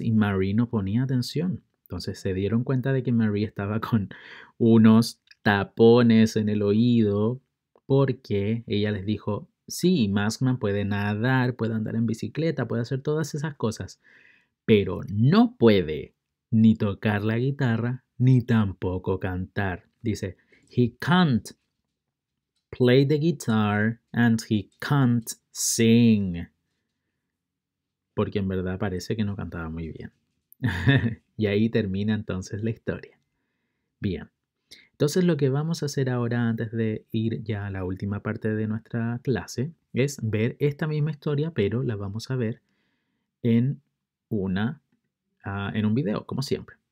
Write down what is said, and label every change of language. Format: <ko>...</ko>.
<es>Y Marie no ponía atención. Entonces se dieron cuenta de que Marie estaba con unos tapones en el oído porque ella les dijo, sí, Maskman puede nadar, puede andar en bicicleta, puede hacer todas esas cosas, pero no puede ni tocar la guitarra ni tampoco cantar. Dice,</es> <en>he can't play the guitar and he can't sing.</en> <es>Porque en verdad parece que no cantaba muy bien. Y ahí termina entonces la historia. Bien. Entonces, lo que vamos a hacer ahora, antes de ir ya a la última parte de nuestra clase, es ver esta misma historia, pero la vamos a ver en un video, como siempre.</es>